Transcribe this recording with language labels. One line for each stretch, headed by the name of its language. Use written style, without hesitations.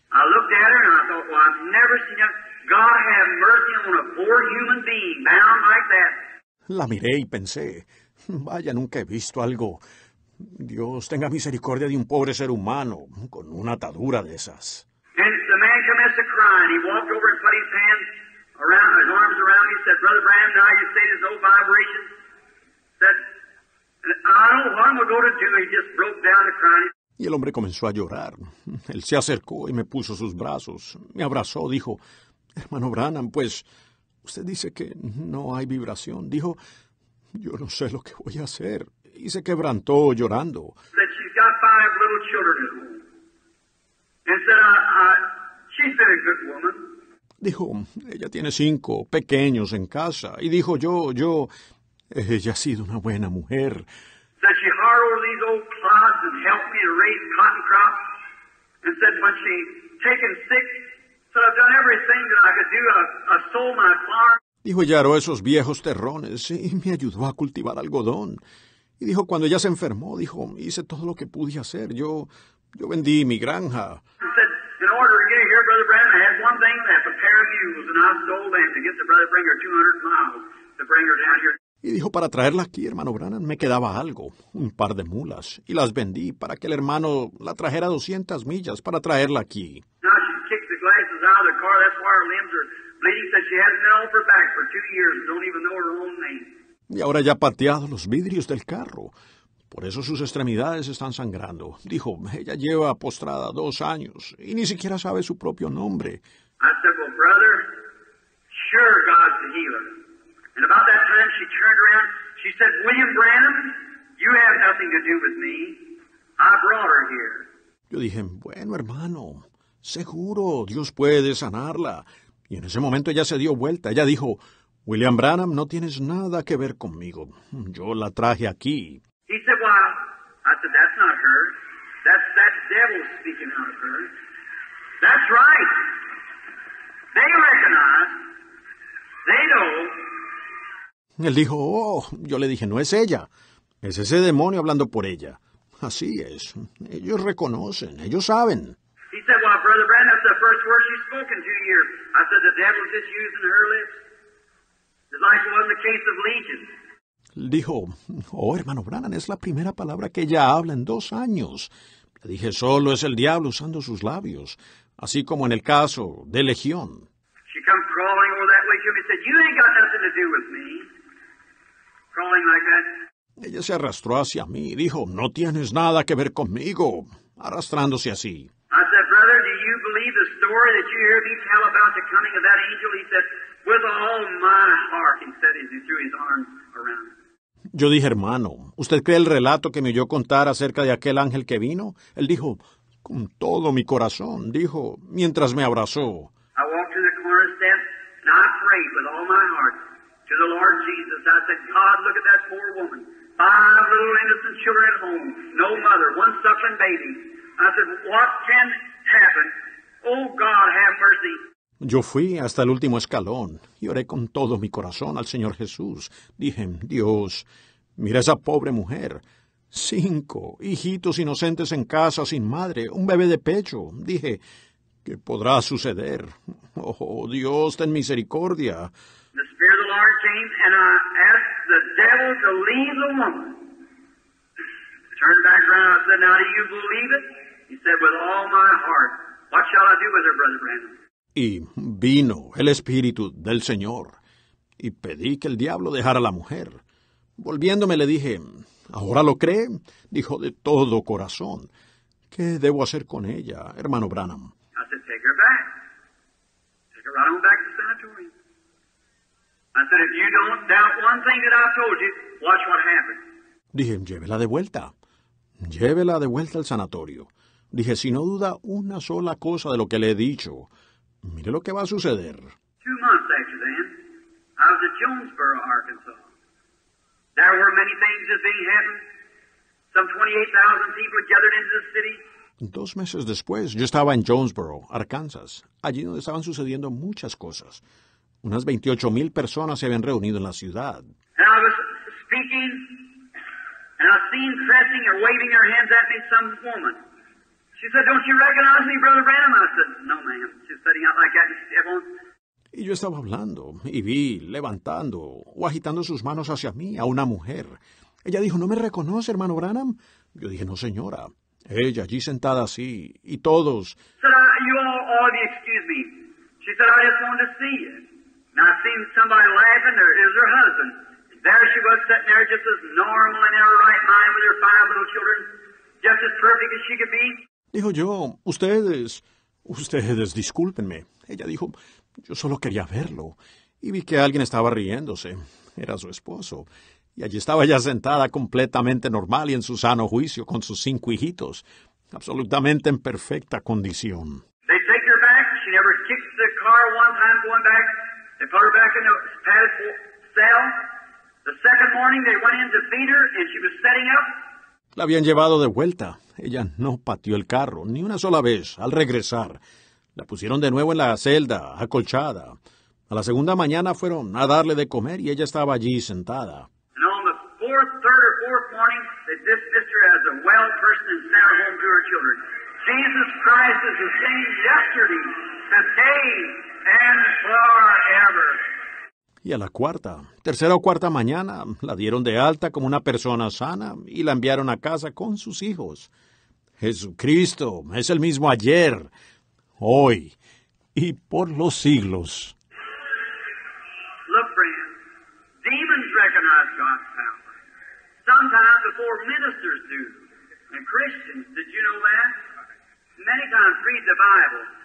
English: I looked at her and I thought, well, I've never seen that. God have mercy on a poor human being bound like that.
Spanish: La miré y pensé, vaya, nunca he visto algo. Dios tenga misericordia de un pobre ser humano con una atadura de esas.
English: And the man commenced to cry and he walked over and put his hands around, his arms around me, said, Brother Branham, now you say there's no vibration. Said, I don't know what I'm going to do. He just broke down to cry.
Spanish: Y el hombre comenzó a llorar. Él se acercó y me puso sus brazos. Me abrazó, dijo, hermano Branham, pues, usted dice que no hay vibración. Dijo, yo no sé lo que voy a hacer. Y se quebrantó llorando.
English: That she's got 5 little children at home. And said, she's been a good woman.
Spanish: Dijo, ella tiene 5 pequeños en casa. Y dijo, yo, ella ha sido una buena mujer.
English: That she harrowed these old clods and helped me to raise cotton crops. And said, when she taken sick, said, I've done everything that I could do. I sold my farm.
Spanish: Dijo, ella aró esos viejos terrones y me ayudó a cultivar algodón. Y dijo, cuando ella se enfermó, dijo, hice todo lo que pude hacer. Yo vendí mi granja.
English: Said, in order to get here, Brother Branham, I had one thing left, a pair of mules, and I sold them to get the brother bring her 200 miles to bring her down here.
Spanish: Y dijo, para traerla aquí, hermano Branham, me quedaba algo, un par de mulas, y las vendí para que el hermano la trajera 200 millas para traerla aquí.
English: Now she kicked the glasses out of the car, that's why her limbs are bleeding, said she hasn't been off her back for 2 years and don't even know her own name.
Spanish: Y ahora ya ha pateado los vidrios del carro, por eso sus extremidades están sangrando. Dijo, ella lleva postrada 2 años y ni siquiera sabe su propio nombre.
English: I said, well, brother, sure God's the healer. And about that time, she turned around, she said, William Branham, you have nothing to do with me. I brought her here.
Spanish: Yo dije, bueno, hermano, seguro, Dios puede sanarla. Y en ese momento ella se dio vuelta. Ella dijo, William Branham, no tienes nada que ver conmigo. Yo la traje aquí.
English: He said, well, I said, that's not her. That's that devil speaking out of her. That's right. They recognize. They know.
Spanish: Él dijo, oh, yo le dije, no es ella. Es ese demonio hablando por ella. Así es. Ellos reconocen. Ellos saben.
English: He said, well, Brother Brandon, that's the first word she's spoken to here. I said, the devil's just using her lips. It's like it was in the case of Legion.
Spanish: Dijo, oh, hermano Branham, es la primera palabra que ella habla en 2 años. Le dije, solo es el diablo usando sus labios, así como en el caso de Legión.
English: She come crawling over that way to me and said, you ain't got nothing to do with me. Crawling like that.
Spanish: Ella se arrastró hacia mí y dijo, no tienes nada que ver conmigo, arrastrándose así.
English: I said, brother, do you believe the story that you hear me tell about the coming of that angel? He said, with all my heart, he said, he threw his arms.
Spanish: Yo dije, hermano, ¿usted cree el relato que me oyó contar acerca de aquel ángel que vino? Él dijo, con todo mi corazón, dijo, mientras me abrazó.
English: I walked to the corner step and I prayed with all my heart to the Lord Jesus. I said, God, look at that poor woman. 5 little innocent children at home. No mother, 1 suffering baby. I said, what can happen? Oh, God, have mercy.
Spanish: Yo fui hasta el último escalón y oré con todo mi corazón al Señor Jesús. Dije, Dios, mira esa pobre mujer. 5 hijitos inocentes en casa sin madre, un bebé de pecho. Dije, ¿qué podrá suceder? Oh, Dios, ten misericordia.
English: The Spirit of the Lord came and I asked the devil to leave the woman. Turned back around and I said, now do you believe it? He said, with all my heart. What shall I do with her, Brother Brandon?
Spanish: Y vino el Espíritu del Señor, y pedí que el diablo dejara a la mujer. Volviéndome le dije, ¿ahora lo cree? Dijo, de todo corazón, ¿qué debo hacer con ella, hermano Branham?
English: I said, take her back. Take her right on back to the sanatorium. I said, if you don't doubt one thing that I've told you, watch what happens.
Spanish: Dije, llévela de vuelta. Llévela de vuelta al sanatorio. Dije, si no duda una sola cosa de lo que le he dicho, mire lo que va a suceder.
English: 2 months after then, I was at Jonesboro, Arkansas. There were many things that being happened. Some 28,000 people gathered into the city.
Spanish: 2 meses después, yo estaba en Jonesboro, Arkansas, allí donde estaban sucediendo muchas cosas. Unas 28,000 personas se habían reunido en la ciudad.
English: And I was speaking, and I seen pressing or waving her hands at me some woman. She said, don't you recognize me, Brother Branham? I said, no, ma'am. She's sitting out like that. Everyone.
Spanish: Y yo estaba hablando, y vi, levantando, o agitando sus manos hacia mí, a una mujer. Ella dijo, ¿no me reconoce, hermano Branham? Yo dije, no, señora. Ella allí sentada así, y todos.
English: Said, you all of you, excuse me. She said, I just wanted to see you. And I seen somebody laughing, there is her husband. And there she was sitting there, just as normal in her right mind with her 5 little children, just as perfect as she could be.
Spanish: Dijo yo, ustedes, discúlpenme. Ella dijo, yo solo quería verlo. Y vi que alguien estaba riéndose. Era su esposo. Y allí estaba ella sentada completamente normal y en su sano juicio con sus 5 hijitos. Absolutamente en perfecta condición.
English: They take her back. She never kicked the car one time going back. They put her back in the padded cell. The second morning they went in to feed her and she was setting up.
Spanish: La habían llevado de vuelta. Ella no pateó el carro ni una sola vez al regresar. La pusieron de nuevo en la celda, acolchada. A la segunda mañana fueron a darle de comer y ella estaba allí sentada.
English: And on the third or fourth morning, they dismissed her as a well person and sent her home to her children. Jesus Christ is the same yesterday, today, and forever.
Spanish: Y a la tercera o cuarta mañana, la dieron de alta como una persona sana y la enviaron a casa con sus hijos. Jesucristo es el mismo ayer, hoy y por los siglos.
English: Look, friend, demons recognize God's power. Sometimes before ministers do, and Christians, did you know that? Many times read the Bible.